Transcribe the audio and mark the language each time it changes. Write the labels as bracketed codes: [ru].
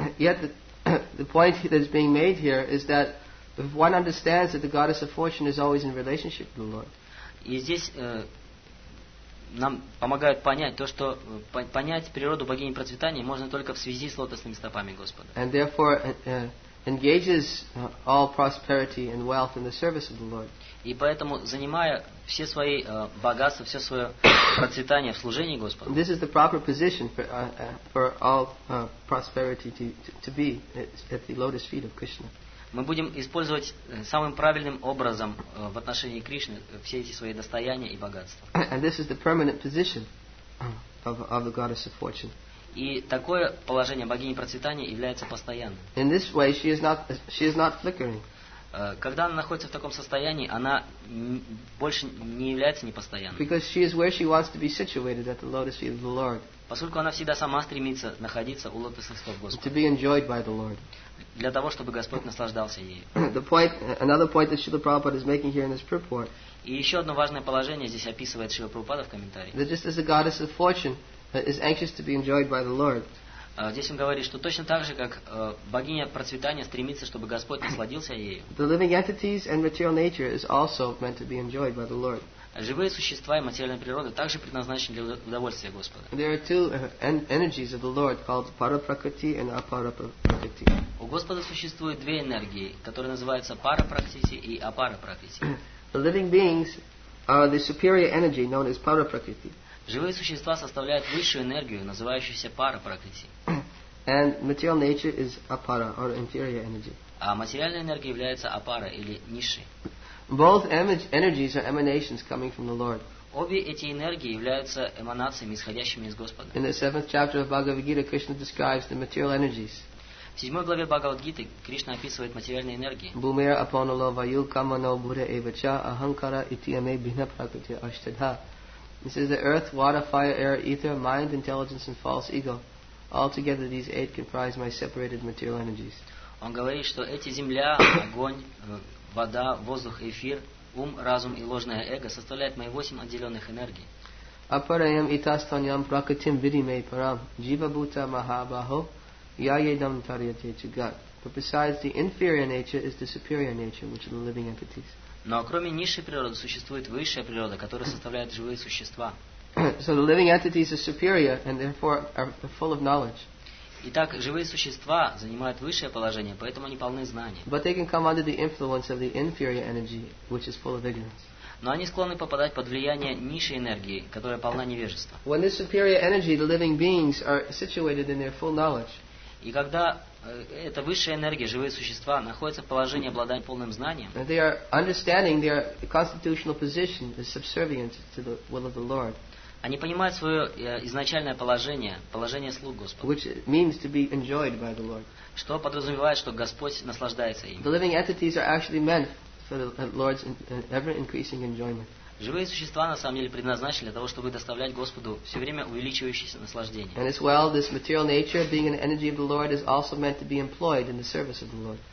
[en] Yet the point that is being made here is that if one understands that the goddess of fortune is always in relationship with the Lord. [ru] И здесь нам помогают понять то, что понять природу богини процветания можно только в связи с лотосными стопами Господа. [en] And therefore engages all prosperity and wealth in the service of the Lord. [ru] И поэтому, занимая все свои богатства, все свое процветание в служении Господу. [en] This is the proper position for all prosperity to be at the lotus feet of Krishna. [ru] Мы будем использовать самым правильным образом в отношении Кришны все эти свои достояния и богатства. [en] And this is the permanent position of the goddess of fortune. [ru] И такое положение богини процветания является постоянным. [en] In this way, she is not flickering. [ru] Когда она находится в таком состоянии, она больше не является непостоянной. [en] Because she is where she wants to be situated at the lotus feet of the Lord. [ru] Поскольку она всегда сама стремится находиться у лотосных стоп Господа. [en] To be enjoyed by the Lord. [ru] Для того, чтобы Господь наслаждался ею. [en] The point, another point that Srila Prabhupada is making here in this purport. [ru] И еще одно важное положение здесь описывает Шрила Прабхупада в комментарии. [en] That just as the goddess of fortune is anxious to be enjoyed by the Lord. [ru] Здесь он говорит, что точно так же, как богиня процветания стремится, чтобы Господь насладился ею. [en] The living entities and material nature is also meant to be enjoyed by the Lord. [ru] Живые существа и материальная природа также предназначены для удовольствия Господа. [en] There are two energies of the Lord called Paraprakriti and Aparaprakriti. [ru] У Господа существует две энергии, которые называются Параприкрити и Апараприкрити. [en] The living beings are the superior energy known as Paraprakriti. [ru] Живые существа составляют высшую энергию, называющуюся Параприкрити. [en] And material nature is Apara or inferior energy. [ru] А материальная энергия является Апара или Ниши. [en] Both energies are emanations coming from the Lord. [ru] Обе эти энергии являются эманациями, исходящими из Господа. [en] In the seventh chapter of Bhagavad Gita, Krishna describes the material energies. [ru] В седьмой главе Бхагавад Гиты Кришна описывает материальные энергии. [sa] Бумер апонало ваю камано буре эвача аханкара итиаме бина пракрити аштадха. [en] This is the earth, water, fire, air, ether, mind, intelligence, and false ego. Altogether, these eight comprise my separated material energies. [ru] Он говорит, что эти земля, огонь, вода, воздух, эфир, ум, разум и ложное эго составляют мои восемь отделенных энергий. [sa] Апараям итастаньям пракатим видимей парам джива-бута махабахо яедам тарьяте чигат. [en] But besides the inferior nature is the superior nature, which are the living entities. [ru] Но кроме низшей природы существует высшая природа, которая составляет живые существа. [en] So the living entities are superior and therefore are full of knowledge. [ru] Итак, живые существа занимают высшее положение, поэтому они полны знаний. [en] But they can come under the influence of the inferior energy, which is full of ignorance. [ru] Но они склонны попадать под влияние низшей энергии, которая полна невежества. [en] When this superior energy, the living beings are situated in their full knowledge. [ru] И когда эта высшая энергия, живые существа, находятся в положении обладания полным знанием. [en] They are understanding their constitutional position is subservient to the will of the Lord. [ru] Они понимают свое изначальное положение, положение слуг Господа. [en] Which means to be enjoyed by the Lord. [ru] Что подразумевает, что Господь наслаждается им. [en] The living entities are actually meant for the Lord's ever-increasing enjoyment. [ru] Живые существа на самом деле предназначены для того, чтобы доставлять Господу все время увеличивающееся наслаждение. [en] And as well, this material nature, being an energy of the Lord, is also meant to be employed in the service of the Lord.